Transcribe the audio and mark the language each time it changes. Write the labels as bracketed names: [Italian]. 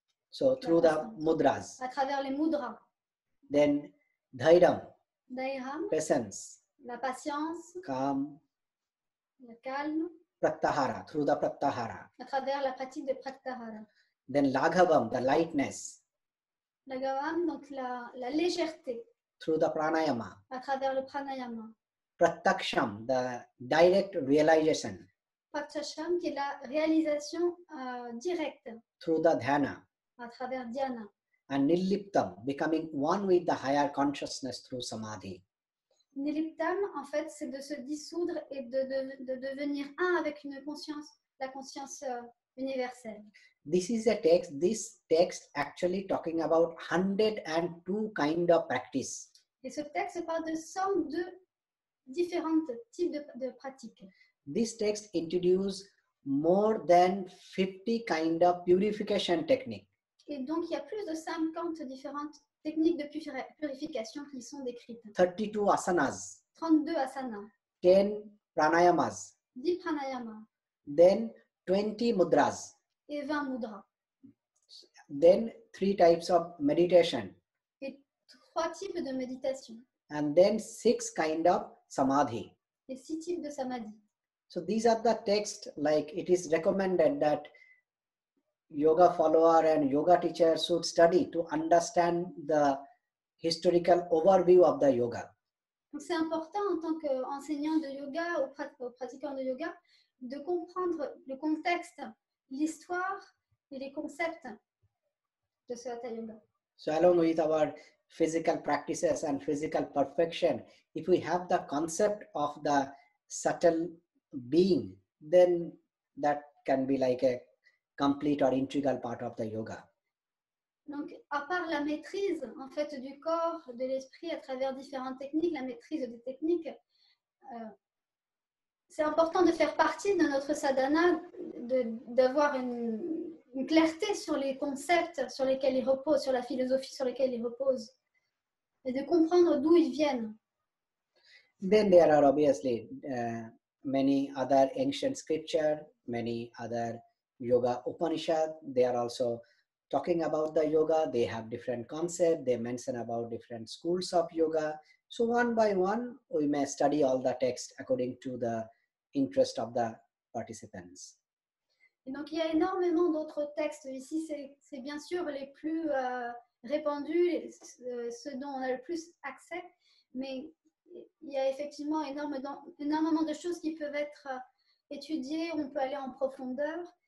[English] So, through the mudras. [French] À travers les mudras. [English] Then, dhairam. [Sanskrit] Dhairam. [English] Patience. [French] La patience. [English] Calm. [French] Le calme. [English] Pratyahara, through the pratyahara. [French] À travers la pratique de pratyahara. [English] Then laghavam, the lightness. [French] Laghavam, donc la légèreté. [English] Through the pranayama. [French] À travers le pranayama. [English] Pratyaksham, the direct realization. [French] Pratyaksham, qui est la réalisation directe. [English] Through the dhyana. [French] À travers dhyana. [English] And nilliptam, becoming one with the higher consciousness through samadhi. [French] Niliptam, en fait, c'est de se dissoudre et de devenir un avec une conscience, la conscience universelle. [English] This is a text. This text actually talking about 102 kind of practice. [French] Et ce texte parle de 102 différentes types de pratiques. [English] This text introduce more than 50 kind of purification technique. [French] Et donc, il y a plus de 50 différentes techniques de purification qui sont décrites. [English] 32 asanas. [French] 32 asanas. [English] 10 pranayamas. [French] 10 pranayamas. [English] Then 20 mudras. [French] Et 20 mudras. [English] Then 3 types of meditation. [French] Et 3 types de méditation. [English] And then 6 kind of samadhi. [French] Et 6 types de samadhi. [English] So these are the texts, like it is recommended that yoga follower and yoga teacher should study to understand the historical overview of the yoga. [French] Donc c'est important en tant qu'enseignant de yoga ou pratiquant de yoga de comprendre le contexte, l'histoire et les concepts de ce Hatha Yoga. [English] So along with our physical practices and physical perfection, if we have the concept of the subtle being, then that can be like a complete or integral part of the yoga. [French] Donc, à part la maîtrise en fait du corps, de l'esprit à travers différentes techniques, la maîtrise des techniques, c'est important de faire partie de notre sadhana, d'avoir une clarté sur les concepts sur lesquels il repose, sur la philosophie sur laquelle il repose, et de comprendre d'où ils viennent. [English] Then there are obviously many other ancient scriptures, many other yoga Upanishad, they are also talking about the yoga, they have different concepts, they mention about different schools of yoga. So one by one, we may study all the texts according to the interest of the participants. [French] Et donc il y a énormément d'autres textes ici, c'est bien sûr les plus répandus, ceux dont on a le plus accès, mais il y a effectivement énormément de choses qui peuvent être étudiées, on peut aller en profondeur.